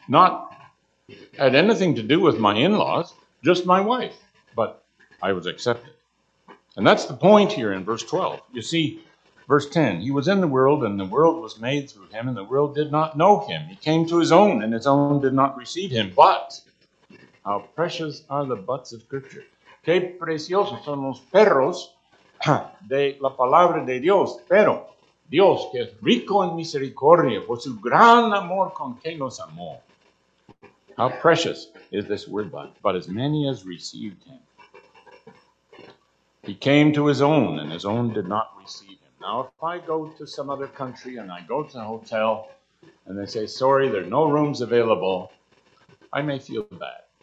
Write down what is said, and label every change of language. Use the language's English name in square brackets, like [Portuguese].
[English] Not had anything to do with my in-laws, just my wife. But I was accepted. And that's the point here in verse 12. You see, verse 10, he was in the world and the world was made through him and the world did not know him. He came to his own and his own did not receive him. But how precious are the buts of Scripture. [Spanish] Qué preciosos son los perros de la palabra de Dios. Pero Dios, que es rico en misericordia, por su gran amor con que nos amó. [English] How precious is this word, but as many as received him. He came to his own, and his own did not receive him. Now, if I go to some other country, and I go to a hotel, and they say, sorry, there are no rooms available, I may feel bad.